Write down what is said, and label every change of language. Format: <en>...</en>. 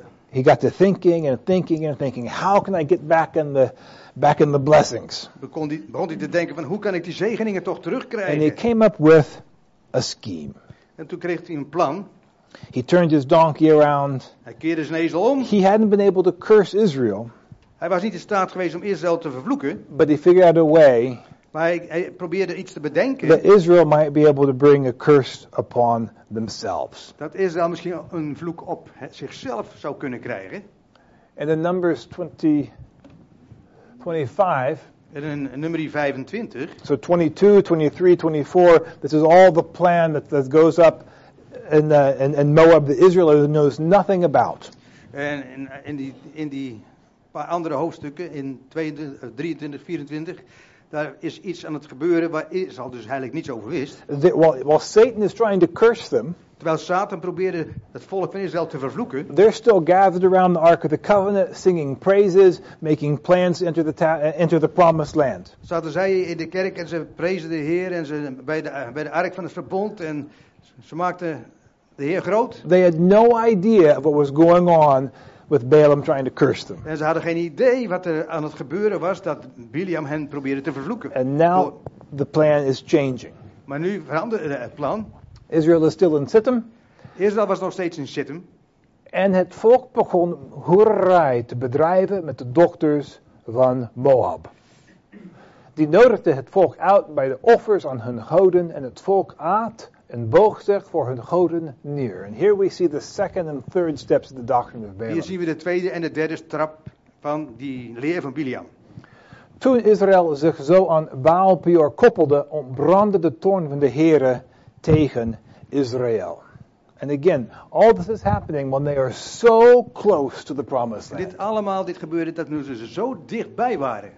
<en>He got to thinking and thinking and thinking. How can I get back in the blessings?</en> <nl>Begon hij te denken van hoe kan ik die zegeningen toch terugkrijgen?</nl> <en>And he came up with a scheme.</en> <nl>En toen kreeg hij een plan.</nl> <en>He turned his donkey around.</en> <nl>Hij keerde zijn ezel om.</nl> <en>He hadn't been able to curse Israel.</en> <nl>Hij was niet in staat geweest om Israël te vervloeken.</nl> <en>But he figured out a way.</en> <nl>Maar hij probeerde iets te bedenken.</nl> <en>That Israel might be able to bring a curse upon themselves.</en> <nl>Dat Israël misschien een vloek op zichzelf zou kunnen krijgen.</nl> <en>And in Numbers 25.</en> <nl>En in Numeri 25.</nl> <en>So 22, 23, 24. This is all the plan that goes up in Moab. The Israelite knows nothing about.</en> <nl>En in die paar andere hoofdstukken in 22, 23, 24. Daar is iets aan het gebeuren waar Israël dus eigenlijk niets over wist.</nl> <en>While Satan is trying to curse them.</en> <nl>terwijl Satan probeerde het volk van Israël te vervloeken.</nl> <en>They're still gathered around the Ark of the Covenant, singing praises, making plans to enter the promised land.</en> <nl>Zaten zij in de kerk en ze prezen de Heer en ze bij de Ark van het Verbond en ze maakten de Heer groot.</nl> <en>They had no idea of what was going on with Balaam trying to curse them.</en> <nl>En ze hadden geen idee wat er aan het gebeuren was dat Bileam hen probeerde te vervloeken.</nl> <en>And now the plan is changing.</en> <nl>Maar nu verandert het plan.</nl> <en>Israel is still in Sittim.</en> <nl>Israel was nog steeds in Sittim. En het volk begon hoererij te bedrijven met de dochters van Moab. Die nodigde het volk uit bij de offers aan hun goden en het volk aat en boog zich voor hun goden neer.</nl> <en>And here we see the second and third steps of the doctrine of Balaam.</en> <nl>Hier zien we de tweede en de derde trap van die leer van Bileam. Toen Israël zich zo aan Baal Peor koppelde, ontbrandde de toorn van de Heere tegen Israël.</nl> <en>And again, all this is happening when they are so close to the promised land.</en> <nl>Dit allemaal, dit gebeurde dat nu ze zo dichtbij waren.</nl>